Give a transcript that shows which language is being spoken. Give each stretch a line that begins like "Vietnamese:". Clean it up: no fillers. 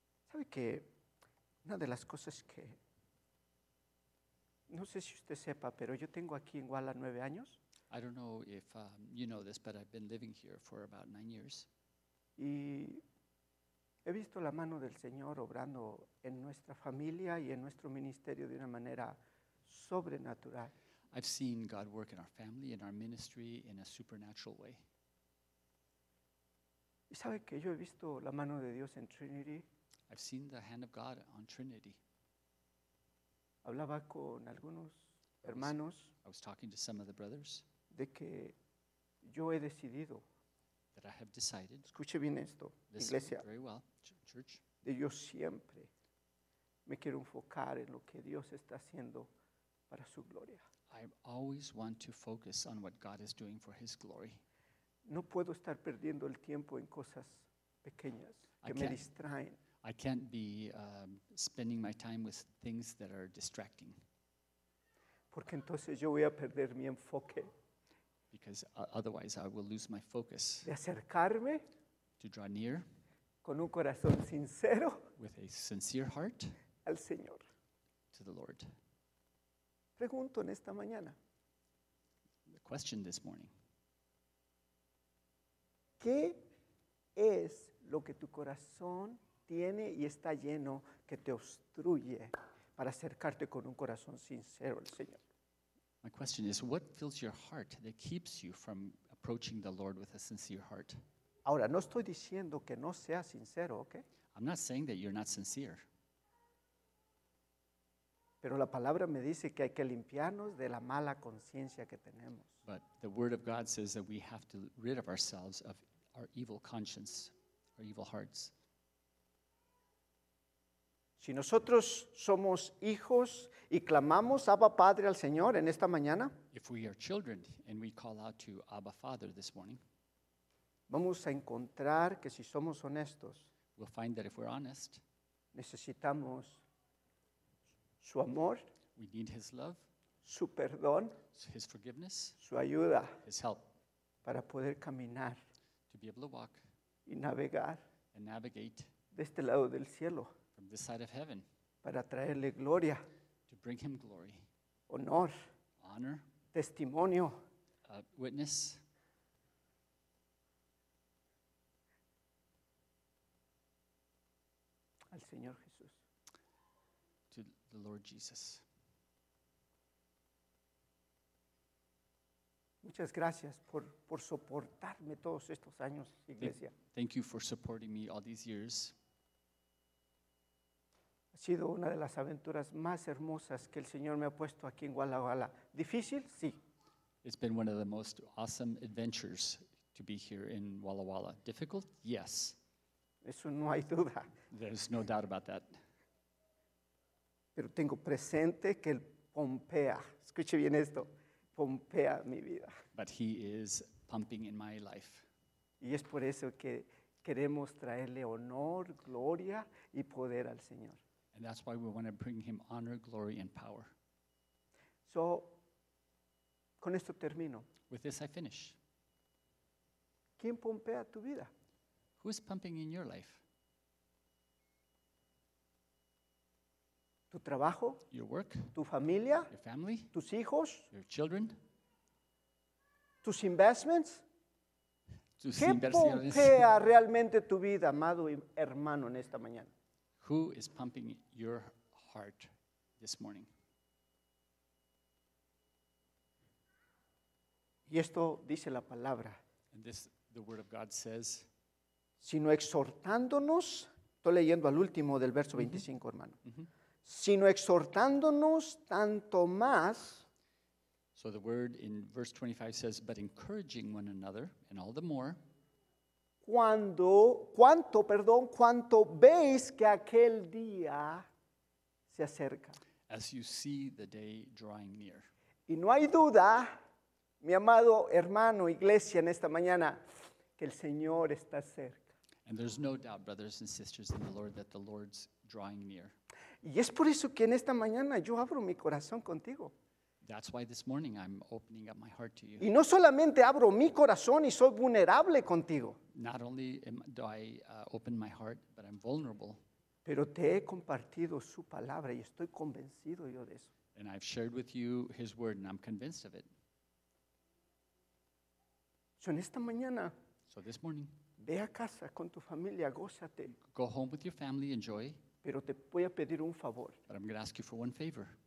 Spanish: ¿Sabe que una de las cosas que, no sé si usted sepa, pero yo tengo aquí en Guala 9 años.
English: I don't know if you know this, but I've been living here for about 9 years.
Spanish: Y he visto la mano del Señor obrando en nuestra familia y en nuestro ministerio de una manera sobrenatural.
English: I've seen God work in our family, in our ministry, in a supernatural way.
Spanish: ¿Y sabe que yo he visto la mano de Dios en Trinity?
English: I've seen the hand of God on Trinity.
Spanish: Hablaba con algunos hermanos.
English: I was talking to some of the brothers.
Spanish: De que yo he decidido.
English: That I have decided.
Spanish: Escuche bien esto, iglesia.
English: Very well, church.
Spanish: De yo siempre me quiero enfocar en lo que Dios está haciendo para su gloria.
English: I always want to focus on what God is doing for His glory.
Spanish: No puedo estar perdiendo el tiempo en cosas pequeñas que me distraen.
English: I can't be spending my time with things that are distracting.
Spanish: Porque entonces yo voy a perder mi enfoque.
English: Because otherwise I will lose my focus.
Spanish: De acercarme.
English: To draw near.
Spanish: Con un corazón sincero.
English: With a sincere heart.
Spanish: Al Señor.
English: To the Lord.
Spanish: Pregunto en esta mañana.
English: The question this morning.
Spanish: ¿Qué es lo que tu corazón tiene y está lleno que te obstruye para acercarte con un corazón sincero al Señor?
English: My question is, what fills your heart that keeps you from approaching the Lord with a sincere heart?
Spanish: Ahora, no estoy diciendo que no sea sincero, ¿ok?
English: I'm not saying that you're not sincere.
Spanish: Pero la palabra me dice que hay que limpiarnos de la mala conciencia que tenemos.
English: But the word of God says that we have to rid of ourselves of our evil conscience, our evil hearts.
Spanish: Si nosotros somos hijos y clamamos Abba Padre al Señor en esta mañana,
English: if we are children and we call out to Abba Father this morning,
Spanish: vamos a encontrar que si somos honestos,
English: we'll find that if we're honest,
Spanish: necesitamos su amor,
English: we need His love,
Spanish: su perdón,
English: His forgiveness,
Spanish: su ayuda,
English: His help,
Spanish: para poder caminar,
English: to be able to walk,
Spanish: y navegar,
English: and navigate,
Spanish: de este lado del cielo,
English: from this side of heaven,
Spanish: para traerle gloria,
English: to bring Him glory,
Spanish: honor,
English: honor,
Spanish: testimonio,
English: a witness.
Spanish: Al Señor Jesús.
English: To the Lord Jesus.
Spanish: Muchas gracias por soportarme todos estos años, iglesia.
English: Thank you for supporting me all these years.
Spanish: Ha sido una de las aventuras más hermosas que el Señor me ha puesto aquí en Walla Walla. ¿Difícil? Sí.
English: It's been one of the most awesome adventures to be here in Walla Walla. Difficult? Yes.
Spanish: Eso no hay duda.
English: There's no doubt about that.
Spanish: Pero tengo presente que Él pompea. Escuche bien esto. Pompea mi vida.
English: But He is pumping in my life.
Spanish: Y es por eso que queremos traerle honor, gloria y poder al Señor.
English: And that's why we want to bring Him honor, glory, and power.
Spanish: So, con esto termino.
English: With this I finish.
Spanish: ¿Quién pompea tu vida?
English: Who is pumping in your life?
Spanish: ¿Tu trabajo?
English: Your work?
Spanish: ¿Tu familia?
English: Your family?
Spanish: ¿Tus hijos?
English: Your children?
Spanish: ¿Tus investments? ¿Tus ¿Qué pompea realmente tu vida, amado hermano, en esta mañana?
English: Who is pumping your heart this morning?
Spanish: Y esto dice la palabra.
English: And this, the word of God says,
Spanish: sino exhortándonos, estoy leyendo al último del verso 25, mm-hmm. hermano. Mm-hmm. Sino exhortándonos tanto más.
English: So the word in verse 25 says, but encouraging one another, and all the more.
Spanish: Cuanto veis que aquel día se acerca.
English: As you see the day drawing near.
Spanish: Y no hay duda, mi amado hermano, iglesia, en esta mañana, que el Señor está cerca.
English: And there's no doubt, brothers and sisters in the Lord, that the Lord's drawing near.
Spanish: Y es por eso que en esta mañana yo abro mi corazón contigo.
English: That's why this morning I'm opening up my heart to you.
Spanish: Y no solamente abro mi corazón y soy vulnerable contigo.
English: Not only do I open my heart, but I'm vulnerable.
Spanish: Pero te he compartido su palabra y estoy convencido yo de eso.
English: And I've shared with you His word and I'm convinced of it.
Spanish: So en esta mañana,
English: so this morning,
Spanish: ve a casa con tu familia, gózate.
English: Go home with your family, enjoy.
Spanish: Pero te voy a pedir un favor.
English: But I'm going to ask you for one favor.